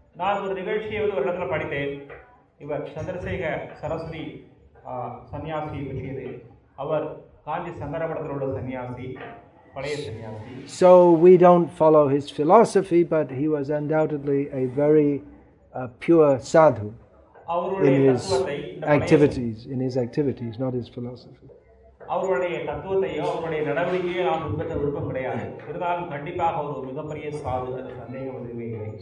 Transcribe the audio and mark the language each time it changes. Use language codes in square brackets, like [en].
[ta] நான் ஒரு நிகழ்ச்சியை ஒரு இடத்துல படித்தேன். இவர் சந்திரசேகர் சரஸ்வதி சன்னியாசி பற்றியது. அவர் காஞ்சி சங்கரபடத்தில் உள்ள சன்னியாசி, பழைய சன்னியாசி. [en] So we don't follow his philosophy, but he was undoubtedly a very pure sadhu. In his activities, in his activities, not his philosophy. [ta] அவருடைய தத்துவத்தையோ அவருடைய நடவடிக்கையோ நாம் உற்பத்த விருப்பம் கிடையாது. இருந்தாலும் கண்டிப்பாக அவர் ஒரு மிகப்பெரிய சாது, சந்தேகம் இல்லை.